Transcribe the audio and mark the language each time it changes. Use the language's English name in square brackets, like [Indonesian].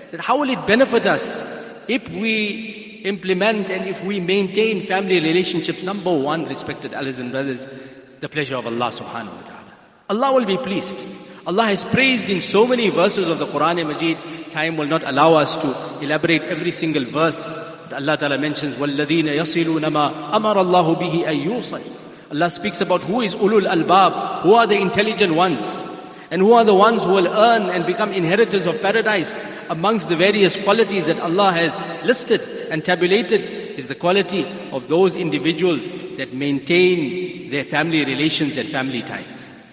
[English] How will it benefit us if we implement and if we maintain family relationships? Number one, respected elders and brothers, the pleasure of Allah subhanahu wa ta'ala. Allah will be pleased. Allah has praised in so many verses of the Quran and Majid. Time will not allow us to elaborate every single verse. Allah ta'ala mentions, [Arabic] وَالَّذِينَ يَصِلُونَ مَا أَمَرَ اللَّهُ بِهِ أَن يُوصَلُ. [English] Allah speaks about who is ulul albab, who are the intelligent ones, and who are the ones who will earn and become inheritors of paradise. Amongst the various qualities that Allah has listed and tabulated is the quality of those individuals that maintain their family relations and family ties.